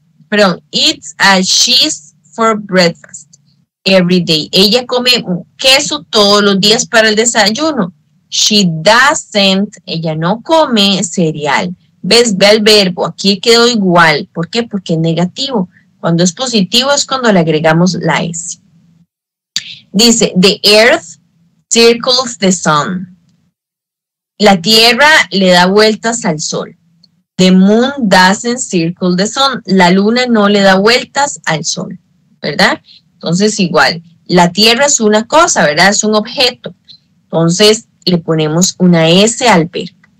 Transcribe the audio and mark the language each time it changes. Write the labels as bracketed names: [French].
[English] Sara eats for breakfast every day. [Spanish] Ella come queso todos los días para el desayuno. [English] She doesn't, [Spanish] ella no come cereal. ¿Ves? Ve al verbo, aquí quedó igual. ¿Por qué? Porque es negativo. Cuando es positivo es cuando le agregamos la S. Dice, [English] the earth circles the sun. [Spanish] La tierra le da vueltas al sol. [English] The moon doesn't circle the sun. [Spanish] La luna no le da vueltas al sol, ¿verdad? Entonces, igual, la tierra es una cosa, ¿verdad? Es un objeto. Entonces, le ponemos una S al verbo.